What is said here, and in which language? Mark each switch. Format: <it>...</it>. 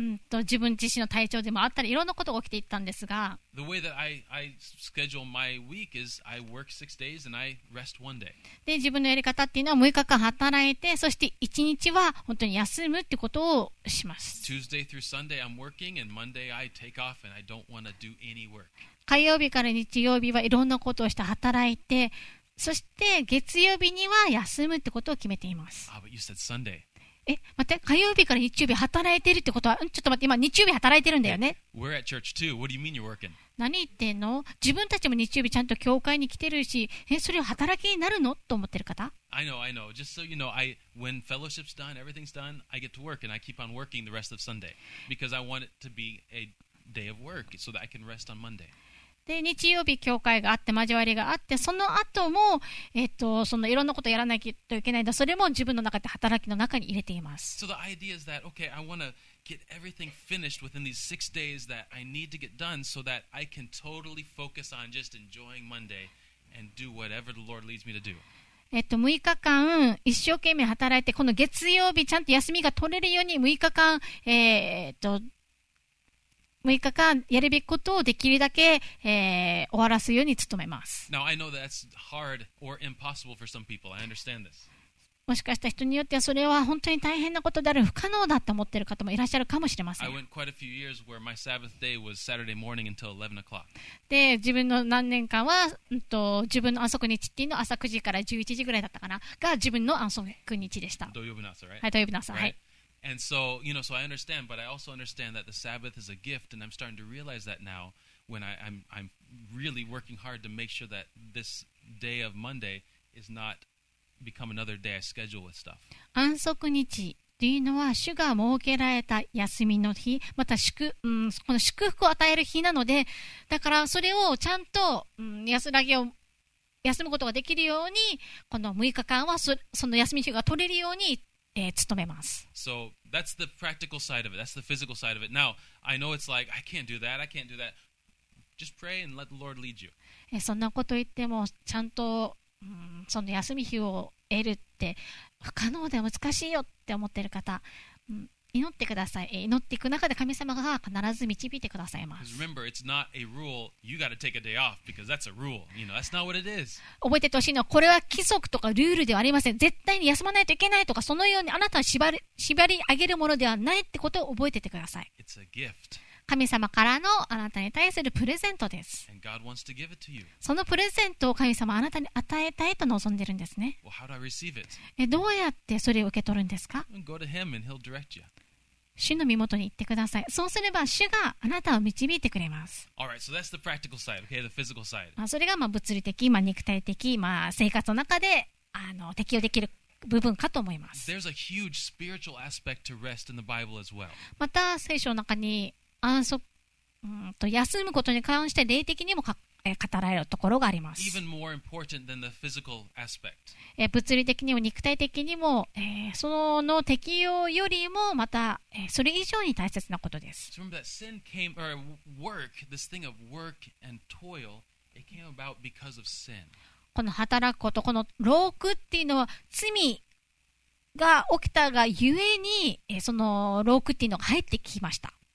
<ja>自分自身の体調でもあったり、いろんなことが起きていったんですが。</ja> <en>The way that I schedule my week is I work six days and I rest one day.</en> <ja>で、自分のやり方っていうのは6日間働いて、そして1日は本当に休むってことをします。</ja> <en>Tuesday through Sunday I'm working and Monday I take off and I don't want to do any work.</en> <ja>火曜日から日曜日はいろんなことをして働いて、そして月曜日には休むってことを決めています。</ja> <en>Ah, but you said Sunday.</en> <ja>え、待って、火曜日から日曜日働いてるってことは、ちょっと待って、今日曜日働いてるんだよね。</ja> <en>Hey, we're at church too. What do you mean you're working?</en> <ja>何言ってんの？自分たちも日曜日ちゃんと教会に来てるし、え、それを働きになるの？と思ってる方？</ja> <en>I know, I know. Just so you know, I, when fellowship's done, everything's done, I get to work and I keep on working the rest of Sunday because I want it to be a day of work so that I can rest on Monday.</en> <ja>で日曜日教会があって交わりがあってその後も、そのいろんなことをやらないといけないんだ。それも自分の中で働きの中に入れています。</ja> <en>So the idea is that, okay, I want to get everything finished within these six days that I need to get done so that I can totally focus on just enjoying Monday and do whatever the Lord leads me to do.</en> <ja>6日間一生懸命働いてこの月曜日ちゃんと休みが取れるように6日間6日間やるべきことをできるだけ、終わらすように努めます。</ja> <en>Now, I know that's hard or impossible for some people. I understand this.</en> <ja>もしかしたら人によってはそれは本当に大変なことである不可能だと思っている方もいらっしゃるかもしれません。</ja> <en>I went quite a few years where my Sabbath day was Saturday morning until 11 o'clock.</en> <ja>で自分の何年間は、自分の安息日っていうのは朝9時から11時ぐらいだったかなが自分の安息日でした。土曜日の朝、</ja> <en>right?</en> <ja>はい、土曜日の朝、</ja> <en>right?</en> <ja>はい。</ja> <en>And so, you know, so I understand, but I also understand that the Sabbath is a gift, and I'm starting to realize that now when I'm really working hard to make sure that this day of Monday is not become another day I schedule with stuff.</en> <ja>安息日というのは主が設けられた休みの日、また祝、この祝福を与える日なので、だからそれをちゃんと、安らぎを休むことができるように、この6日間は その休み日が取れるように、努めます。</ja> <en>So that's the practical side of it. That's the physical side of it. Now, I know it's like, I can't do that. I can't do that. Just pray and let the Lord lead you.</en> <ja>そんなこと言っても、ちゃんと、その休み日を得るって不可能で難しいよって思ってる方、祈ってください。祈っていく中で神様が必ず導いてくださいます。</ja> <en>Because remember, it's not a rule. You got to take a day off because that's a rule. You know, that's not what it is.</en> <ja>覚えててほしいのは、これは規則とかルールではありません。絶対に休まないといけないとか、そのようにあなたを縛り上げるものではないってことを覚えててください。</ja> <en>It's a gift.</en> <ja>神様からのあなたに対するプレゼントです。</ja> <en>And God wants to give it to you.</en> <ja>そのプレゼントを神様はあなたに与えたいと望んでるんですね。</ja> <en>Well, how do I receive it?</en> <ja>どうやってそれを受け取るんですか？</ja> <en>Go to him and he'll direct you.</en> <ja>主の身元に行ってください。そうすれば主があなたを導いてくれます。</ja> <en>Alright, so that's the practical side, okay, the physical side.</en> <ja>まあ、それがまあ物理的、まあ、肉体的、まあ、生活の中で適用できる部分かと思います。</ja> <en>There's a huge spiritual aspect to rest in the Bible as well.</en> <ja>また聖書の中に休むことに関して霊的にも語られるところがあります。</ja> <en>Even more important than the physical aspect.</en> <ja>物理的にも肉体的にも、その適用よりもまた、それ以上に大切なことです。</ja> <en>So remember that sin came, or work, this thing of work and toil, it came about because of sin.</en> <ja>この働くこと、この労苦っていうのは罪が起きたがゆえに、その労苦っていうのが入ってきました。</ja>